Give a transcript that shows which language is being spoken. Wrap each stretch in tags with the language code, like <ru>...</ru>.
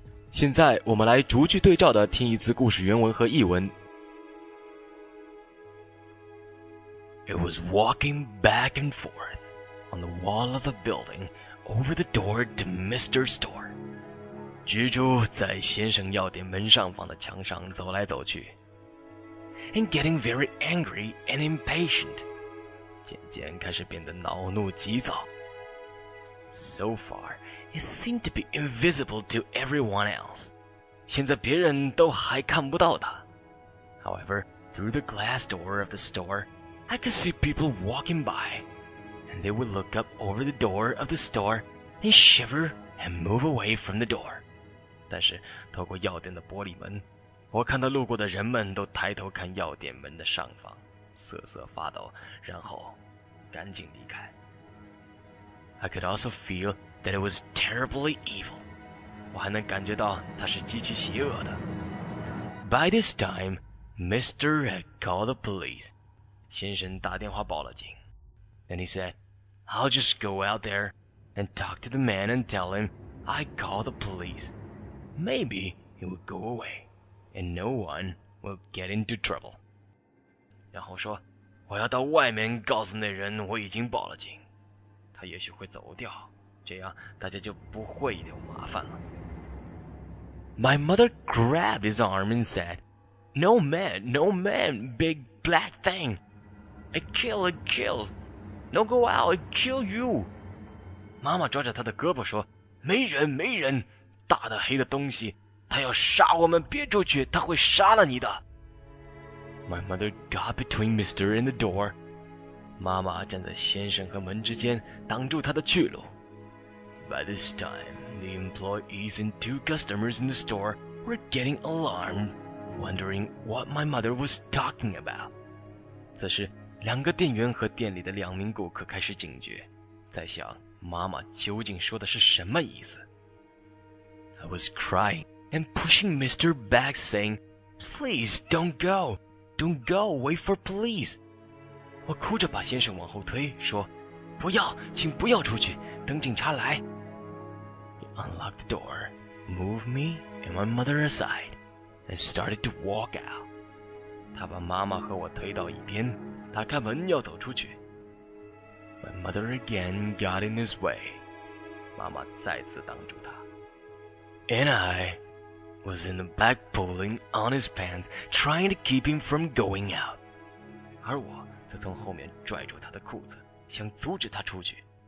<zh>现在我们来逐句对照的听一次故事原文和译文。</zh> <en>It was walking back and forth on the wall of a building over the door to Mr. Store.</en> <zh>蜘蛛在先生药店门上方的墙上走来走去。</zh> <en>And getting very angry and impatient.</en> <zh>渐渐开始变得恼怒急躁。</zh> <en>So far,It seemed to be invisible to everyone else.</en> <zh>现在别人都还看不到他。</zh> <en>However, through the glass door of the store, I could see people walking by, and they would look up over the door of the store and shiver and move away from the door.</en> <zh>但是透过药店的玻璃门，我看到路过的人们都抬头看药店门的上方，瑟瑟发抖，然后赶紧离开。</zh> <en>I could also feel that it was terribly evil.</en> <zh>我还能感觉到它是极其邪恶的。</zh> <en>By this time, Mr. had called the police.</en> <zh>先生打电话报了警。</zh> <en>And he said, I'll just go out there and talk to the man and tell him I called the police. Maybe he will go away and no one will get into trouble.</en> <zh>然后说，我要到外面告诉那人我已经报了警，他也许会走掉，这样大家就不会有麻烦了。</zh> <en>My mother grabbed his arm and said, No man, no man, big black thing. I kill, no go out, I kill you.</en> <zh>妈妈抓着他的胳膊说，没人，没人，大的黑的东西，他要杀我们，别出去，他会杀了你的。</zh> <en>My mother got between Mr. and the door.</en> <zh>妈妈站在先生和门之间，挡住他的去路。</zh> <en>By this time, the employees and two customers in the store were getting alarmed, wondering what my mother was talking about.</en> <zh>此时，两个店员和店里的两名顾客开始警觉，在想妈妈究竟说的是什么意思。</zh> <en>I was crying and pushing Mr. back, saying, Please don't go! Don't go! Wait for police!</en> <zh>我哭着把先生往后推，说，不要，请不要出去，等警察来。</zh> <en>Unlock the door, move me and my mother aside, and started to walk out.</en> <zh>他把妈妈和我推到一边，打开门要走出去。</zh> <en>My mother again got in his way.</en> <zh>妈妈再次挡住他。</zh> <en>And I was in the back pulling on his pants, trying to keep him from going out.</en> <zh>而我则从后面拽住他的裤子，想阻止他出去。</zh>